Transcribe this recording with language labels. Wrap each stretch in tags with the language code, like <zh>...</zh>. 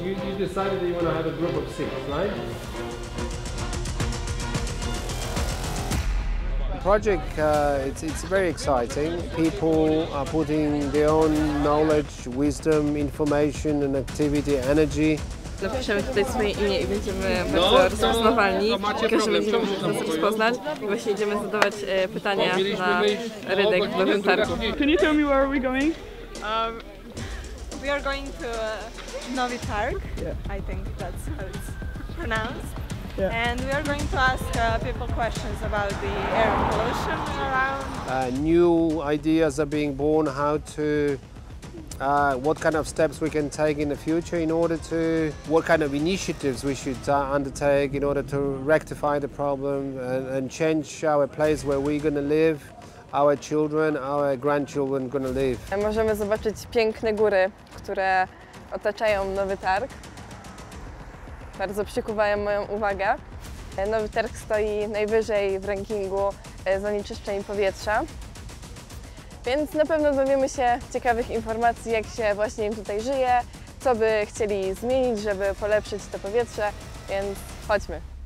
<en>You decided that you wanna have a group of six, right? The project, it's very exciting. People are putting their own knowledge, wisdom, information and activity, energy.</en> <pl>Napiszemy tutaj swoje imię i będziemy bardzo rozpoznawalni. Każdy będzie mógł nas rozpoznać. I właśnie idziemy zadawać pytania na rynek w nowym targu.</pl> <en>Can you tell me where are we going? We are going to Novi Targ. Yeah. I think that's how it's pronounced. Yeah. And we are going to ask people questions about the air pollution around. New ideas are being born, how to... what kind of steps we can take in the future in order to... What kind of initiatives we should undertake in order to rectify the problem and change our place where we're going to live, our children, our grandchildren are going to live.</en> <pl>Możemy zobaczyć piękne góry, które otaczają Nowy Targ. Bardzo przykuwają moją uwagę. Nowy Targ stoi najwyżej w rankingu zanieczyszczeń powietrza. Więc na pewno dowiemy się ciekawych informacji, jak się właśnie im tutaj żyje, co by chcieli zmienić, żeby polepszyć to powietrze, więc chodźmy.</pl>